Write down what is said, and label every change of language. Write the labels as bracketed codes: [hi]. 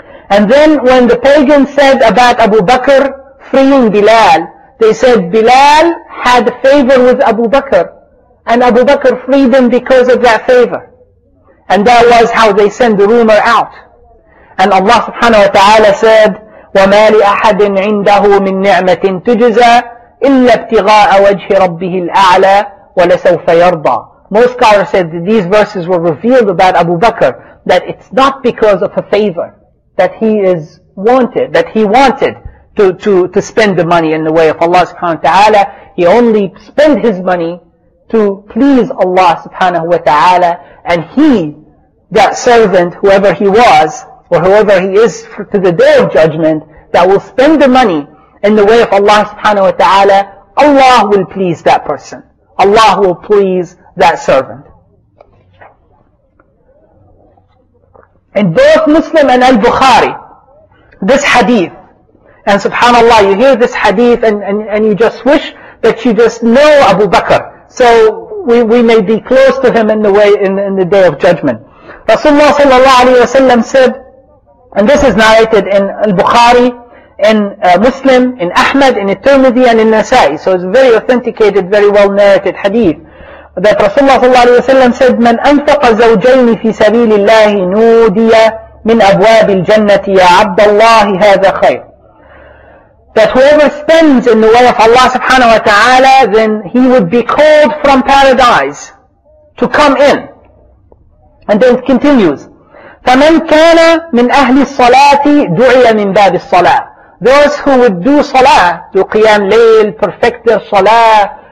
[en] And then when the pagans said about Abu Bakr freeing Bilal, they said Bilal had favor with Abu Bakr, and Abu Bakr freed him because of that favor. And that was how they sent the rumor out. And Allah subhanahu wa ta'ala said, [ar] وَمَا لِأَحَدٍ عِنْدَهُ مِن نِعْمَةٍ تُجْزَى إِلَّا ابْتِغَاءَ وَجْهِ رَبِّهِ الْأَعْلَى وَلَسَوْفَ يَرْضَى. [en] Most scholars said that these verses were revealed about Abu Bakr, that it's not because of a favor that he wanted to spend the money in the way of Allah subhanahu wa ta'ala. He only spent his money to please Allah subhanahu wa ta'ala. And he, that servant, whoever he was, or whoever he is to the Day of Judgment, that will spend the money in the way of Allah subhanahu wa ta'ala, Allah will please that person. Allah will please that servant. In both Muslim and Al-Bukhari, this hadith, and subhanAllah, you hear this hadith and you just wish that you just know Abu Bakr, so we may be close to him in the Day of Judgment. Rasulullah sallallahu alayhi wa sallam said, and this is narrated in Al-Bukhari, in Muslim, in Ahmad, in Tirmidhi, and in Nasa'i. So it's very authenticated, very well narrated hadith. That Rasulullah sallallahu alayhi wa sallam said, [ar] مَنْ أَنْفَقَ زَوْجَيْنِ فِي سَبِيلِ اللَّهِ نُودِيَ مِنْ أَبْوَابِ الْجَنَّةِ يَا عَبَّ اللَّهِ هَذَا خَيْرٌ. [en] That whoever spends in the way of Allah subhanahu wa ta'ala, then he would be called from paradise to come in. And then it continues, [ar] فَمَنْ كَانَ مِنْ أَهْلِ الصَّلَاةِ دُعِيَ مِنْ بَابِ الصَّلَاةِ. [en] Those who would do salah, do qiyam layl, perfect their salah,